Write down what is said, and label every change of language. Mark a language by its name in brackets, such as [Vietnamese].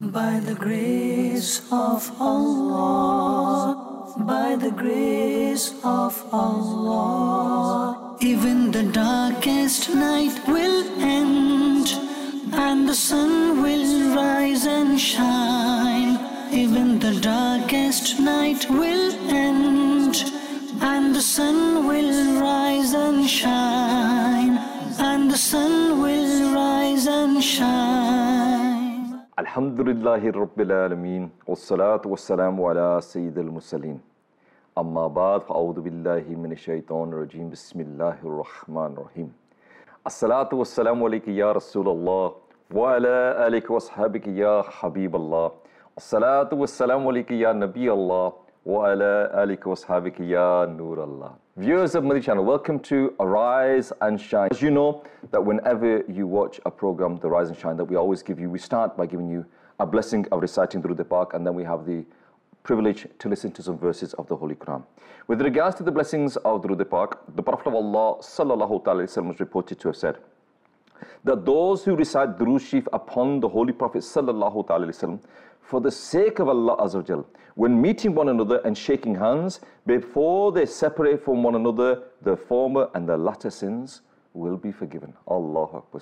[English] By the grace of Allah, by the grace of Allah, even the darkest night will end, and the sun will rise and shine. Even the darkest night will end, and the sun will rise and shine, and the sun will rise and shine. [Arabic] আলহামদুলিল্লাহ রব্বিল আলামিন والصلاه والسلام على سيد المرسلين اما بعد اعوذ بالله من الشيطان الرجيم بسم الله الرحمن الرحيم والصلاه والسلام عليك يا رسول الله وعلى اليك واصحابك يا حبيب الله والصلاه والسلام عليك يا نبي الله وعلى اليك واصحابك يا نور الله. [English] Viewers of Madi Channel, welcome to Arise and Shine. As you know, that whenever you watch a program, The Rise and Shine, that we always give you, we start by giving you a blessing of reciting Durood e Pak, and then we have the privilege to listen to some verses of the Holy Quran. With regards to the blessings of Durood e Pak, the Prophet of Allah sallallahu alaihi wasallam was reported to have said that those who recite Durood Sharif upon the Holy Prophet sallallahu alaihi wasallam for the sake of Allah Azza wa Jal, when meeting one another and shaking hands, before they separate from one another, the former and the latter sins will be forgiven. Allahu Akbar.